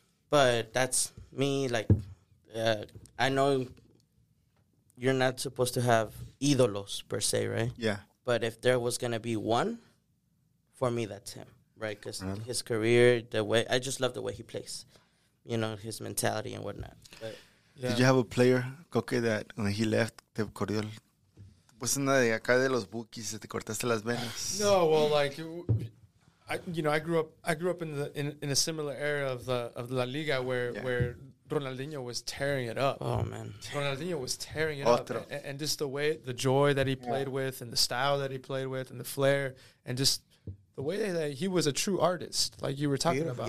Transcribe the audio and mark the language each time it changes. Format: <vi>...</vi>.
<en>But that's me. Like, I know you're not supposed to have ídolos per se, right? Yeah. But if there was gonna be one, for me, that's him, right? Because his career, the way I just love the way he plays, you know, his mentality and whatnot. But, yeah. Did you have a player, Coque, that when he left,</en> <es>te corrió? Pues una de acá de los Bukis, te cortaste las venas.</es> <en>No, well, like, I grew up in a similar era of the La Liga where Ronaldinho was tearing it up. Oh, man. Ronaldinho was tearing it up. And just the way, the joy that he played with and the style that he played with and the flair and just the way that he was a true artist, like you were talking about.</en>